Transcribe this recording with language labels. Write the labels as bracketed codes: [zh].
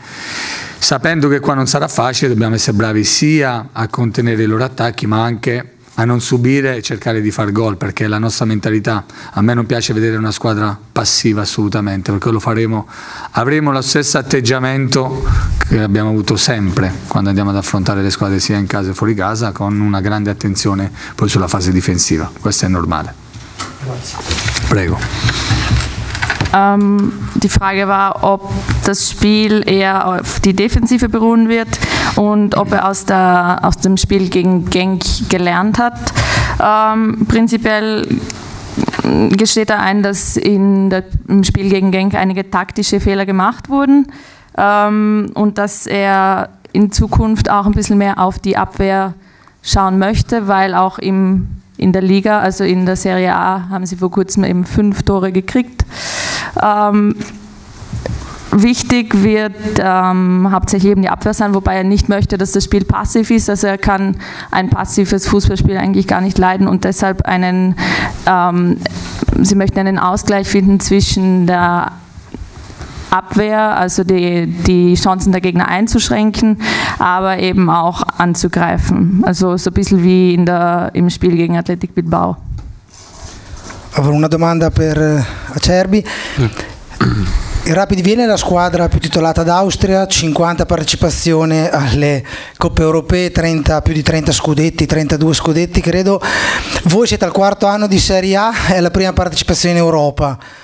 [it] Sapendo che qua non sarà facile, dobbiamo essere bravi sia a contenere i loro attacchi, ma anche a non subire e cercare di far gol, perché la nostra mentalità, a me non piace vedere una squadra passiva assolutamente, perché lo faremo, avremo lo stesso atteggiamento che abbiamo avuto sempre quando andiamo ad affrontare le squadre sia in casa che fuori casa, con una grande attenzione poi sulla fase difensiva, questo è normale. Grazie. Prego. [de] Die Frage war, ob das Spiel eher auf die Defensive beruhen wird und ob er aus dem Spiel gegen Genk gelernt hat. Prinzipiell gesteht er ein, dass im Spiel gegen Genk einige taktische Fehler gemacht wurden und dass er in Zukunft auch ein bisschen mehr auf die Abwehr schauen möchte, weil auch in der Liga, also in der Serie A, haben sie vor kurzem eben 5 Tore gekriegt. Wichtig wird hauptsächlich eben die Abwehr sein, wobei er nicht möchte, dass das Spiel passiv ist. Also er kann ein passives Fußballspiel eigentlich gar nicht leiden und deshalb sie möchten einen Ausgleich finden zwischen der Abwehr, also die Chancen der Gegner einzuschränken, aber eben auch anzugreifen. Also so ein bisschen wie im Spiel gegen Athletic Bilbao. [it] Avrò una domanda per Acerbi. Il Rapid Vienna è la squadra più titolata d'Austria, 50 partecipazioni alle Coppe Europee, 30, più di 30 scudetti, 32 scudetti credo. Voi siete al quarto anno di Serie A e la prima partecipazione in Europa.